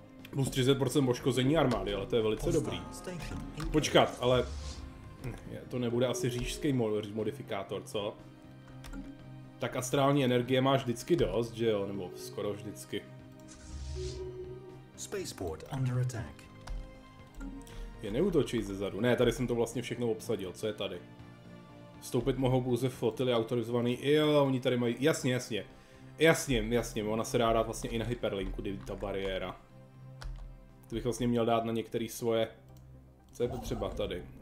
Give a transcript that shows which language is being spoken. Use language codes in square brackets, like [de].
[cs] Plus 30% poškození armády, ale to je velice dobrý. Počkat, ale to nebude asi říšský modifikátor, co? Tak astrální energie máš vždycky dost, že jo? Nebo skoro vždycky. [en] Spaceport under attack. [cs] Je neútočí zezadu. Ne, tady jsem to vlastně všechno obsadil. Co je tady? Vstoupit mohou pouze flotily autorizovaný. Jo, oni tady mají... Jasně. Ona se dá dát vlastně i na hyperlinku, kdyby ta bariéra. To bych vlastně měl dát na některý svoje... Co je potřeba tady?